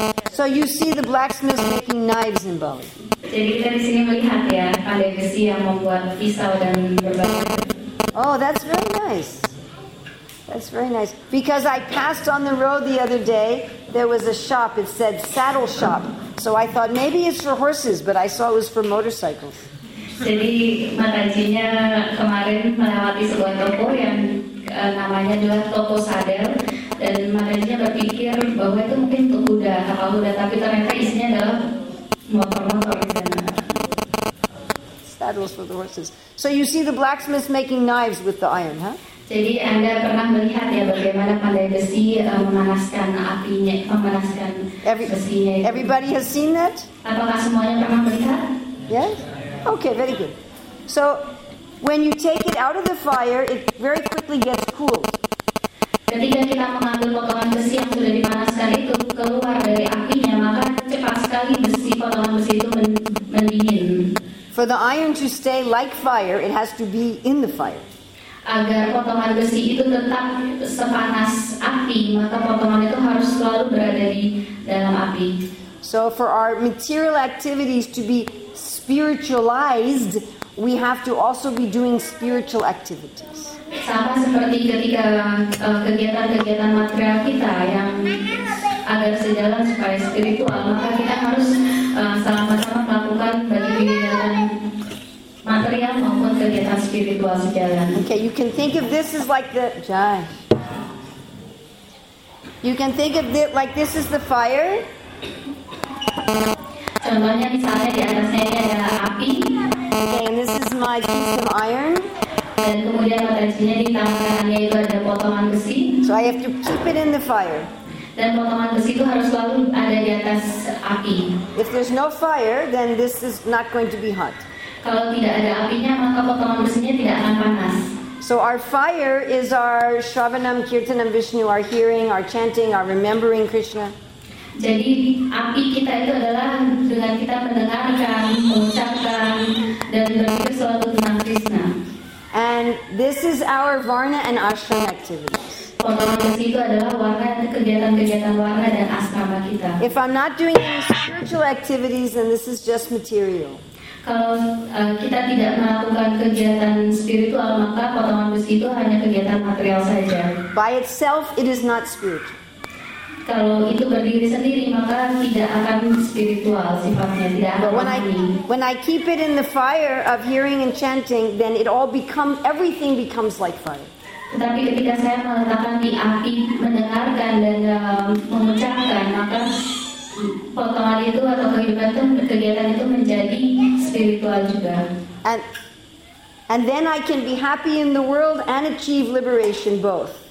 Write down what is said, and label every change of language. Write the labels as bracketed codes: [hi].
[en] So you see the blacksmiths making knives in Bali. [id] Jadi kita di sini melihat ya, pandai besi yang membuat pisau dan berbagai. [en] Oh, that's very nice. That's very nice. Because I passed on the road the other day, there was a shop. It said saddle shop. So I thought maybe it's for horses, but I saw it was for motorcycles. [id] Jadi makanya kemarin melewati sebuah toko yang namanya adalah toko sadel dan makanya berpikir bahwa itu mungkin untuk kuda, kapal kuda, tapi ternyata isinya adalah motor-motor di sana. [en] Saddles for the horses. So you see the blacksmiths making knives with the iron, huh? [id] Jadi Anda pernah melihat ya bagaimana pandai besi memanaskan apinya, memanaskan besinya itu. [en] Everybody has seen that? [id] Apakah semuanya pernah melihat? [en] Yes. Okay, very good. So, when you take it out of the fire, it very quickly gets cooled. [id] Ketika kita mengambil potongan besi yang sudah dipanaskan itu keluar dari apinya, maka cepat sekali besi potongan besi itu mendingin. [en] For the iron to stay like fire, it has to be in the fire. [id] Agar potongan besi itu tetap sepanas api, maka potongan itu harus selalu berada di dalam api. [en] So, for our material activities to be spiritualized, we have to also be doing spiritual activities. [id] Sama seperti ketika kegiatan-kegiatan material kita yang agar sejalan supaya spiritual, maka kita harus sama-sama melakukan bagi kegiatan material maupun kegiatan spiritual sejalan. [en] Okay, you can think of this as like the Jai. You can think of it like this is the fire. [id] Contohnya misalnya di atasnya ini ada api. [en] Okay, and this is my piece of iron. [id] Dan kemudian potensinya di tangannya itu ada potongan besi. [en] So I have to keep it in the fire. [id] Dan potongan besi itu harus selalu ada di atas api. [en] If there's no fire, then this is not going to be hot. [id] Kalau tidak ada apinya, maka potongan besinya tidak akan panas. [en] So our fire is our Shravanam, Kirtanam, Vishnu, our hearing, our chanting, our remembering Krishna. [id] Jadi api kita itu adalah dengan kita mendengarkan, mengucapkan, dan berpikir selalu tentang Krishna. [en] And this is our varna and ashram activities. [id] Potongan besi itu adalah warna kegiatan-kegiatan warna dan asrama kita. [en] If I'm not doing any spiritual activities, then this is just material. [id] Kalau kita tidak melakukan kegiatan spiritual, maka potongan besi itu hanya kegiatan material saja. [en] By itself, it is not spiritual. [id] Kalau itu berdiri sendiri maka tidak akan spiritual sifatnya, tidak akan. [en] But when I keep it in the fire of hearing and chanting, then it all becomes, everything becomes like fire. [id] Tetapi ketika saya meletakkan di api mendengarkan dan mengucapkan, maka potongan itu atau kegiatan itu menjadi spiritual juga. [en] And And then I can be happy in the world and achieve liberation both.